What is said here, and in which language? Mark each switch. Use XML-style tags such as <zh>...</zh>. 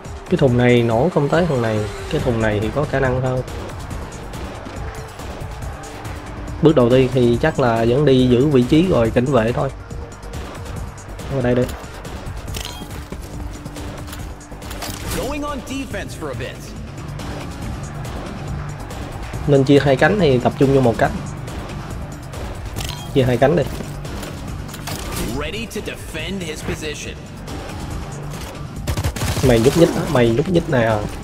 <vi>Cái thùng này nổ không tới thằng này, cái thùng này thì có khả năng hơn. Bước đầu tiên thì chắc là vẫn đi giữ vị trí rồi cảnh vệ thôi. Ở đây đi.</vi> <en>Going on defense for a bit.</en> <vi>Nên chia hai cánh thì tập trung vô một cánh. Chia hai cánh đi.</vi> <en>Ready to defend his position.</en> <vi>Mày nhúc nhích á, mày nhúc nhích nè.</vi>